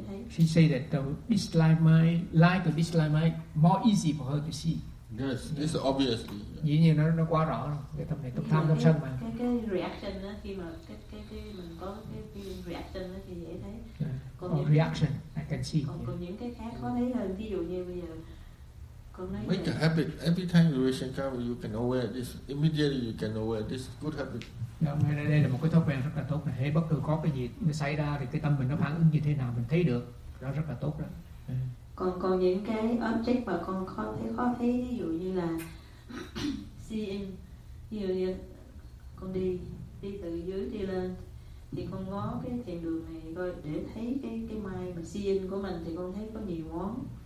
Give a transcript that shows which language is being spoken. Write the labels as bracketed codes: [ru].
[en] She said that the dislike mind, like the dislike mind, more easy for her to see. Yes, this is obviously. [vi] Dĩ nhiên nó quá rõ rồi. Cái tâm này tâm tham tâm sân mà. Cái reaction đó khi mà cái mình có cái reaction đó thì dễ thấy. Còn những reaction, [en] I can see. [vi] Còn những cái khác khó thấy hơn. Ví dụ như bây giờ. [en] Make a habit. Every time you reach out, you can aware this. Immediately you can aware this good habit. [vi] Đây là một cái thói quen rất là tốt. Hễ bất cứ có cái gì nó xảy ra thì cái tâm mình nó phản ứng như thế nào mình thấy được. Đó rất là tốt đó. Còn những cái object mà con khó thấy ví dụ như là seeing, ví dụ như con đi từ dưới đi lên thì con ngó cái thiền đường này coi để thấy cái mai mà seeing của mình thì con thấy có nhiều món.